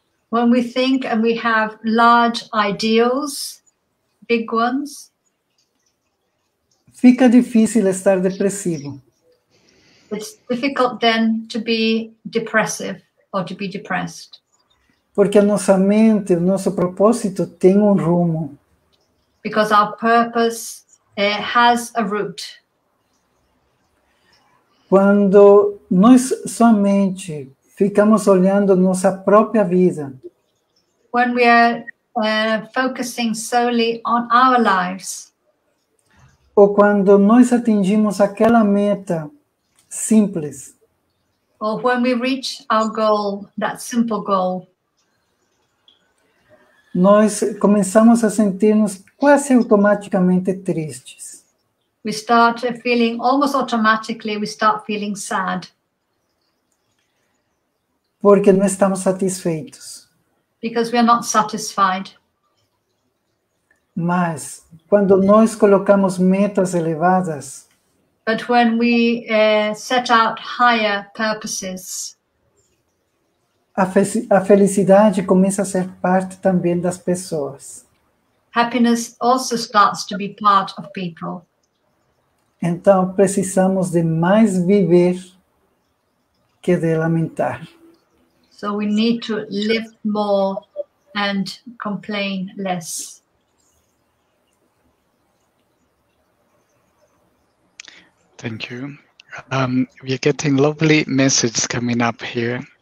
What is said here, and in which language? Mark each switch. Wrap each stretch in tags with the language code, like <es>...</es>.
<en>when we think and we have large ideals, big ones,</en> <pt>fica difícil estar depressivo.</pt> <en>It's difficult then to be depressive or to be depressed.</en> <pt>Porque a nossa mente, o nosso propósito tem rumo.</pt> <en>Because our purpose has a root.</en> <pt>Quando nós somente ficamos olhando nossa própria vida.</pt> <en>When we are focusing solely on our lives.</en> <pt>Ou quando nós atingimos aquela meta simples.</pt> <en>Or when we reach our goal, that simple goal.</en> <pt>Nós começamos a sentir-nos quase automaticamente tristes.</pt> <en>We start feeling, almost automatically, we start feeling sad.</en> <pt>Porque não estamos satisfeitos.</pt> <en>Because we are not satisfied.</en> <pt>Mas, quando nós colocamos metas elevadas,</pt> <en>but when we set out higher purposes,</en> <pt>a felicidade começa a ser parte também das pessoas.</pt> <en>Happiness also starts to be part of people.</en> <pt>Então, precisamos de mais viver que de lamentar.</pt> <en>So we need to live more and complain less. Thank you. We are getting lovely messages coming up here.</en>